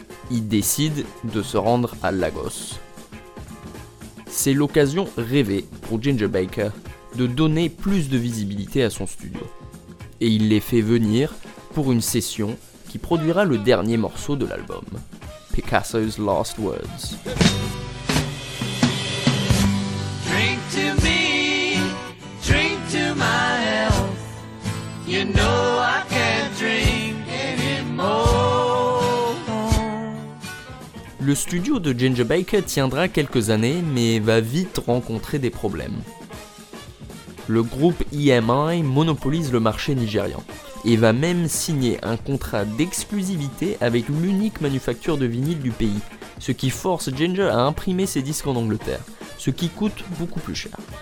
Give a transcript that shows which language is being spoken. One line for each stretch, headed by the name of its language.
French: Ils décident de se rendre à Lagos. C'est l'occasion rêvée pour Ginger Baker de donner plus de visibilité à son studio. Et il les fait venir pour une session qui produira le dernier morceau de l'album, Picasso's Last Words.
English: Drink to me, drink to my health. You know I can't drink anymore.
French: Le studio de Ginger Baker tiendra quelques années, mais va vite rencontrer des problèmes. Le groupe EMI monopolise le marché nigérian et va même signer un contrat d'exclusivité avec l'unique manufacture de vinyle du pays, ce qui force Ginger à imprimer ses disques en Angleterre, ce qui coûte beaucoup plus cher.